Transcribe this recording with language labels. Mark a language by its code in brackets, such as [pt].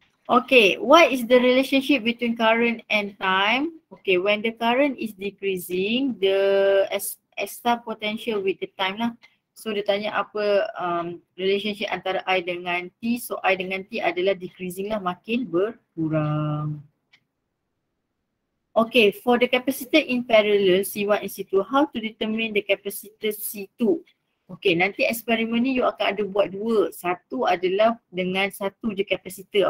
[en] Okay, what is the relationship between current and time? Okay, when the current is decreasing, the extra potential with the time lah. [ms] So dia tanya apa relationship antara I dengan T. So I dengan T adalah decreasing lah, makin berkurang. [en] Okay, for the capacitor in parallel C1 and C2, how to determine the capacitor C2? [ms] Okay, nanti eksperimen ni you akan ada buat dua. Satu adalah dengan satu je kapasitor.